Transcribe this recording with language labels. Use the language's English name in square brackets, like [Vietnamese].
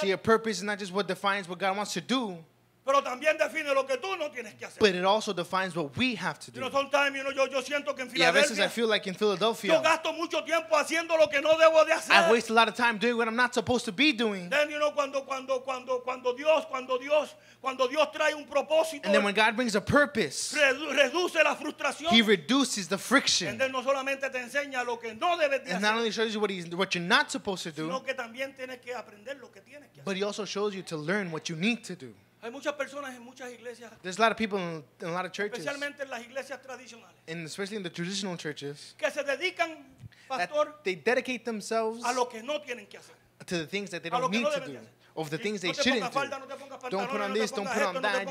[English] See, a purpose is not just what defines what God wants to do. [Spanish] Pero también define lo que tú no tienes que hacer. [English] But it also defines what we have to do. You know, sometimes, you know, [Spanish] yo siento que en Filadelfia, [English] yeah, this is, I feel like in Philadelphia, [Spanish] yo gasto mucho tiempo haciendo lo que no debo de hacer. [English] I waste a lot of time doing what I'm not supposed to be doing. Then, you know, [Spanish] cuando Dios trae un propósito, [English] and then when God brings a purpose, [Spanish] reduce la frustración, [English] he reduces the friction. And then [Spanish] no solamente te enseña lo que no debes de hacer, [English] and not only shows you what you're not supposed to do, [Spanish] sino que también tienes que aprender lo que tienes que hacer. [English] But he also shows you to learn what you need to do. [Spanish] Hay muchas personas en muchas iglesias. [English] There's a lot of people in a lot of churches. [Spanish] Especialmente en las iglesias tradicionales. [English] And especially in the traditional churches. [Spanish] Que se dedican, pastor, [English] they dedicate themselves [Spanish] a lo que no tienen que hacer. [English] To the things that they don't need to do. Of the things they shouldn't do. Don't put on this, don't put on that.